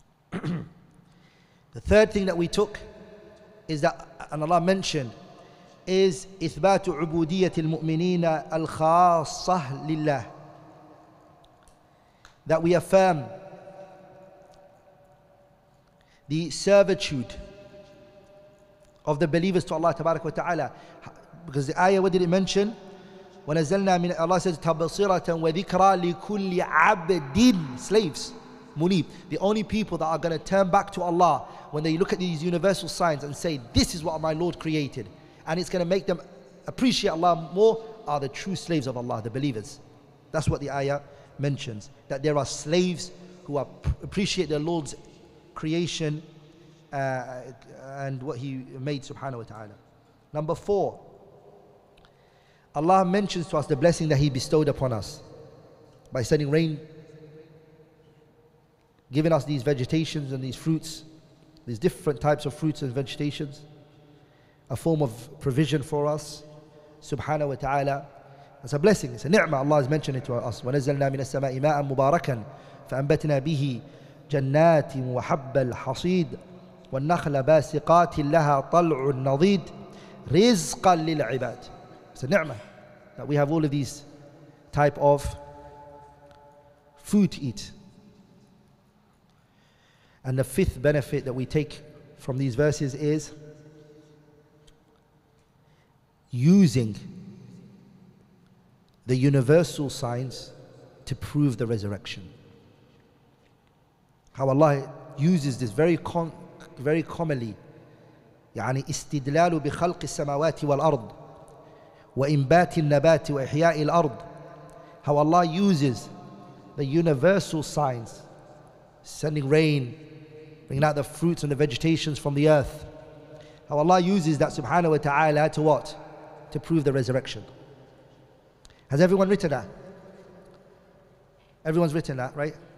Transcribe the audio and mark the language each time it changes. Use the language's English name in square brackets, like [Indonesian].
[English] The third thing that we took is that, and Allah mentioned, is إثبات عبودية المؤمنين الخاصة لله. That we affirm the servitude of the believers to Allah tabarak wa ta'ala. Because the ayah, what did it mention? [Arabic] وَنَزَلْنَا مِنْ Allah says, تَبْصِرَةً وَذِكْرَى لِكُلِّ عَبْدٍ Slaves. [English] Munib, the only people that are going to turn back to Allah when they look at these universal signs and say, this is what my Lord created, and it's going to make them appreciate Allah more, are the true slaves of Allah, the believers. That's what the ayah mentions, that there are slaves who appreciate their Lord's creation and what He made, subhanahu wa ta'ala. Number four, Allah mentions to us the blessing that He bestowed upon us by sending rain, giving us these vegetations and these fruits, these different types of fruits and vegetations, a form of provision for us, subhanahu wa ta'ala. It's a blessing, it's a ni'mah. Allah has mentioned it to us. [Arabic] وَنَزَّلْنَا مِنَ السَّمَاءِ مَاءً مُبَارَكًا فَأَنْبَتْنَا بِهِ جَنَّاتٍ وَحَبَّ الْحَصِيدِ وَالنَّخْلَ بَاسِقَاتٍ لَهَا طَلْعٌ نَضِيدٍ رِزْقًا لِلْعِبَادِ It's a ni'mah that we have all of these type of food to eat. [English] And the fifth benefit that we take from these verses is using the universal signs to prove the resurrection. How Allah uses this very commonly. [Arabic] يعني استدلال بخلق السماوات والأرض وإنبات النبات وإحياء الأرض. [English] How Allah uses the universal signs, sending rain, bringing out the fruits and the vegetations from the earth. How Allah uses that, subhanahu wa ta'ala, to what? To prove the resurrection. Has everyone written that? Everyone's written that, right?